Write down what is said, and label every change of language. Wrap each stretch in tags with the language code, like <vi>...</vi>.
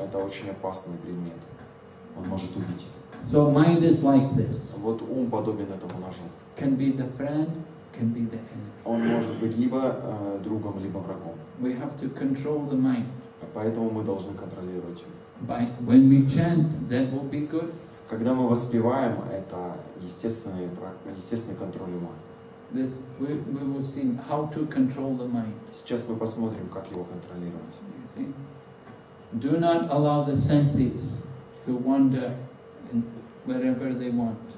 <ru>Это очень опасный предмет. Он может убить.</ru> <en>So mind is like this.</en> <ru>Вот ум подобен этому ножу.</ru> <en>Can be the friend, can be the enemy.</en> <ru>Он может быть либо другом, либо врагом.</ru> <en>We have to control the mind.</en> <ru>Поэтому мы должны контролировать ум.</ru> <en>But when we chant, that will be good.</en> <ru>Когда мы воспеваем, это естественный контроль ума.</ru> <en>This we will see how to control the mind.</en> <ru>Сейчас мы посмотрим, как его контролировать.</ru> <en>You see? Do not allow the senses to wander in wherever they want.</en>